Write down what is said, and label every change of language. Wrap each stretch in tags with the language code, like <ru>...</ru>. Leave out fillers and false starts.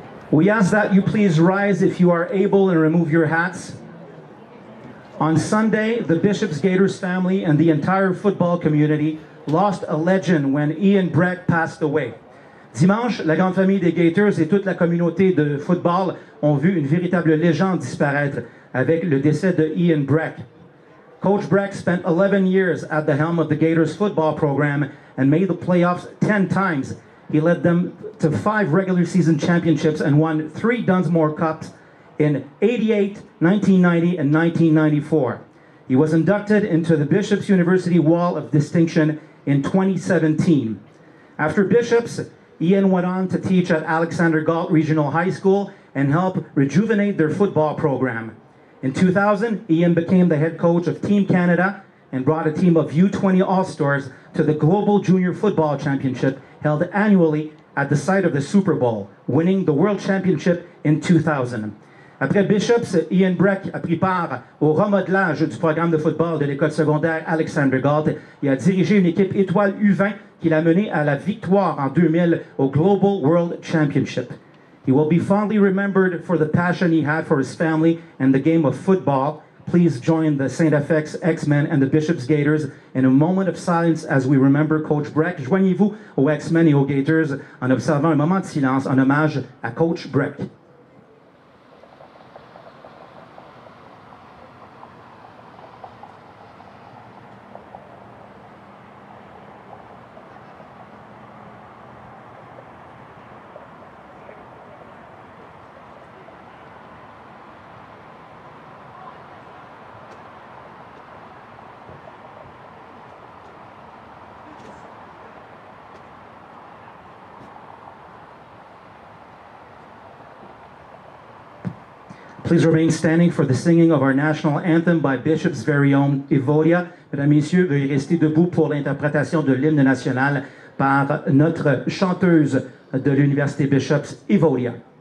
<en>We ask that you please rise if you are able and remove your hats. On Sunday, the Bishop's Gaiters family and the entire football community lost a legend when Ian Breck passed away.</en> <fr>Dimanche, la grande famille des Gaiters et toute la communauté de football ont vu une véritable légende disparaître avec le décès de Ian Breck.</fr> <en>Coach Breck spent 11 years at the helm of the Gaiters football program and made the playoffs 10 times. He led them to 5 regular season championships and won 3 Dunsmore Cups in 88, 1990, and 1994. He was inducted into the Bishop's University Wall of Distinction in 2017. After Bishop's, Ian went on to teach at Alexander Galt Regional High School and help rejuvenate their football program. In 2000, Ian became the head coach of Team Canada and brought a team of U20 All-Stars to the Global Junior Football Championship held annually at the site of the Super Bowl, winning the World Championship in 2000.</en> <fr>Après Bishop's, Ian Breck a pris part au remodelage du programme de football de l'école secondaire Alexander Galt et a dirigé une équipe étoile U20 qui l'a mené à la victoire en 2000 au Global World Championship.</fr> <en>He will be fondly remembered for the passion he had for his family and the game of football. Please join the St. FX X-Men and the Bishop's Gaiters in a moment of silence as we remember Coach Breck.</en> <fr>Joignez-vous aux X-Men et aux Gaiters en observant un moment de silence en hommage à Coach Breck.</fr> <en>Please remain standing for the singing of our national anthem by Bishop's very own Evodia.</en> <fr>Mesdames, Messieurs, veuillez rester debout pour l'interprétation de l'hymne national par notre chanteuse de l'Université Bishop's, Evodia.</fr>